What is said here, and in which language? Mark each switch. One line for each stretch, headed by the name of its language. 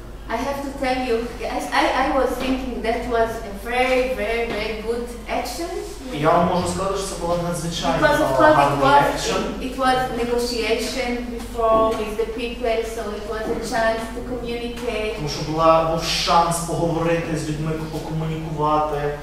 English: I have to tell you, I was thinking that was a very, very, very good action.
Ukrainian: Я вам можу сказати, що це була надзвичайно гарна
English: action. Because of course it was negotiation before with the people, so it was a chance to communicate.
Ukrainian: Тому що був шанс поговорити з людьми, покомунікувати.